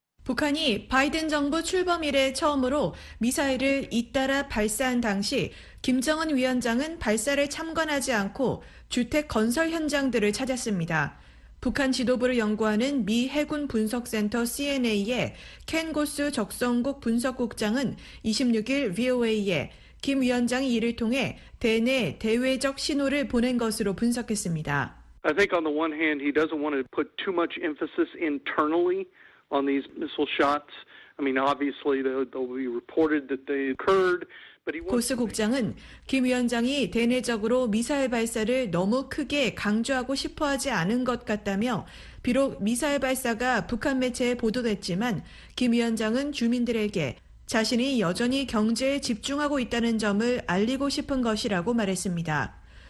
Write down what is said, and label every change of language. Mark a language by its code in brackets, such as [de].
[ko] 북한이 바이든 정부 출범 이래 처음으로 미사일을 잇따라 발사한 당시 김정은 위원장은 발사를 참관하지 않고 주택 건설 현장들을 찾았습니다. 북한 지도부를 연구하는 미 해군 분석센터 CNA의 켄 고스 적성국 분석국장은 26일 VOA에 김 위원장이 이를 통해 대내 대외적 신호를 보낸 것으로 분석했습니다. [en] I think on the one hand he doesn't want to put too much emphasis internally on these missile shots. I mean obviously they'll be reported that they occurred. [ko] 고스 국장은 김 위원장이 대내적으로 미사일 발사를 너무 크게 강조하고 싶어 하지 않은 것 같다며 비록 미사일 발사가 북한 매체에 보도됐지만 김 위원장은 주민들에게 자신이 여전히 경제에 집중하고 있다는 점을 알리고 싶은 것이라고 말했습니다.